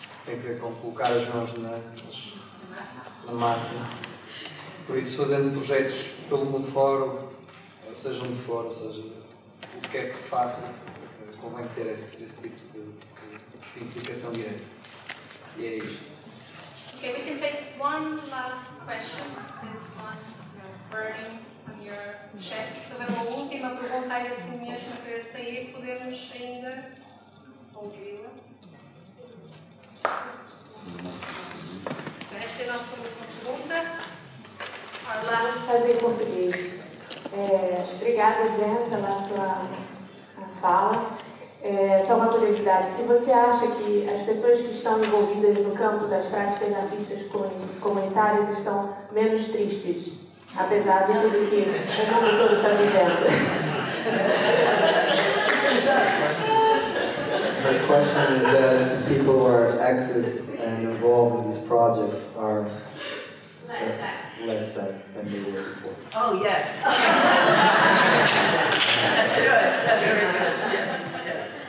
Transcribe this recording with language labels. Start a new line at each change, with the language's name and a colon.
Portuguese: tem a ver com colocar as mãos na massa. Por isso, fazendo projetos pelo mundo fora, ou seja onde for, ou seja, o que é que se faça, convém ter esse tipo de implicação direta. E é isto.
English: Ok, we can take one last question, this one burning on your chest.
Portuguese: Se houver uma última pergunta aí assim mesmo para sair, podemos ainda ouvi-la. Então, esta é a nossa última pergunta.
English: Our last...
Portuguese: Vou fazer em português. Obrigada, Jan, pela sua fala. Só uma curiosidade, se você acha que as pessoas que estão envolvidas no campo das práticas artísticas comunitárias estão menos tristes, apesar de tudo que o mundo todo está vivendo?
English: My question is that the people who are active and involved in these projects are less sad than they were before. Oh, yes. That's good. That's very good.